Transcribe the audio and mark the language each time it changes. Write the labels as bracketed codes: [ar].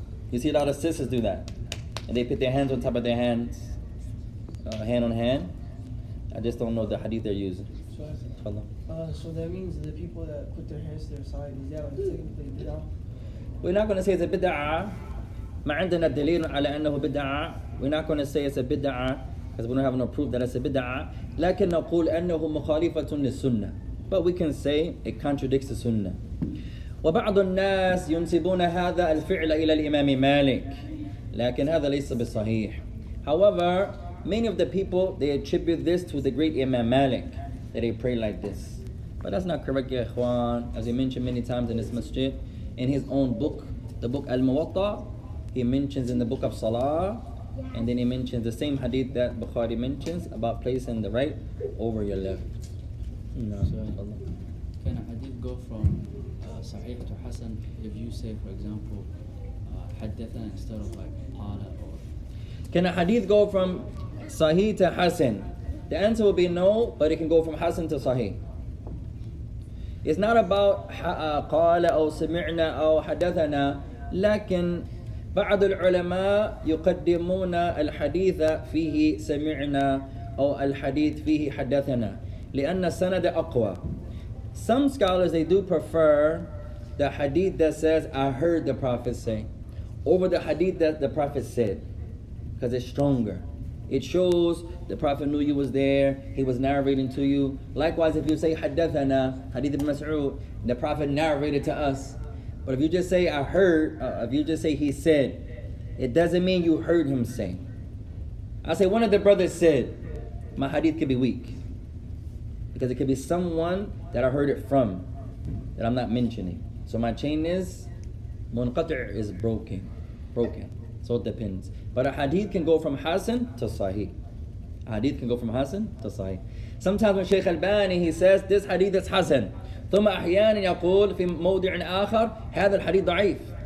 [en] You see a lot of sisters do that. And they put their hands on top of their hands, hand on hand. I just don't know the hadith they're using. So that means the people that put their hands to their side, is that like technically bid'ah? We're not going to say it's a bid'ah. [ar] ما عندنا دليل على أنه بدعه. [en] We're not going to say it's a bid'ah because we don't have no proof that it's a bid'ah. [ar] لكن نقول أنه مخالفة للسنة. [en] But we can say it contradicts the sunnah. [ar] وبعض الناس ينسبون هذا الفعل إلى الإمام مالك. لكن هذا ليس بالصحيح. [en] However, many of the people, they attribute this to the great Imam Malik, that he prayed like this. But that's not correct, يا إخوان. As we mentioned many times in this masjid, in his own book, the book Al-Muwatta, he mentions in the book of Salah, and then he mentions the same hadith that Bukhari mentions about placing the right over your left. No. So, can a hadith go from Sahih to Hasan if you say, for example, Hadithan instead of like Qala? Can a hadith go from Sahih to Hasan? The answer would be no, but it can go from Hasan to Sahih. [ar] It's not about قال أو سمعنا أو حدثنا لكن بعض العلماء يقدمون الحديث فيه سمعنا أو الحديث فيه حدثنا لأن السند أقوى. [en] Some scholars, they do prefer the hadith that says I heard the Prophet say over the hadith that the Prophet said, because it's stronger. It shows the Prophet knew you was there, he was narrating to you. Likewise, if you say حدثنا, hadith ibn Mas'ud, the Prophet narrated to us. But if you just say I heard, if you just say he said, it doesn't mean you heard him say. I say one of the brothers said, my hadith could be weak. Because it could be someone that I heard it from, that I'm not mentioning. So my chain is, munqati' is broken, broken. So it depends. But a hadith can go from Hasan to Sahih. A hadith can go from Hasan to Sahih. Sometimes when Shaykh Albani, he says, this hadith is Hasan. [ar] ثم أحيانا يقول في موضع آخر هذا الحديث ضعيف.